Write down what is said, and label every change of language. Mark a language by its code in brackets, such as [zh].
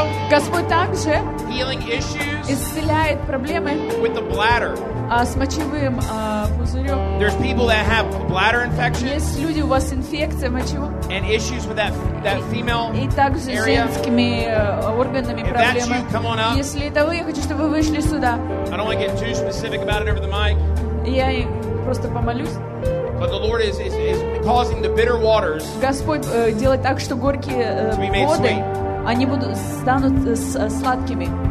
[ru] Господь также исцеляет проблемы с мочевым пузырем. [en] There's people that have bladder infections. [ru] Есть люди, у вас инфекция мочевого. [en] And issues with that female [ru] и также [en] area. [ru] С женскими органами проблемы. Если это вы, я хочу, чтобы вы вышли сюда. [en] I don't want to get too specific about it over the mic. [ru] Я просто помолюсь. [en] But the Lord is causing the bitter waters. [ru] Господь делает так, что горькие воды. Они будут станут сладкими.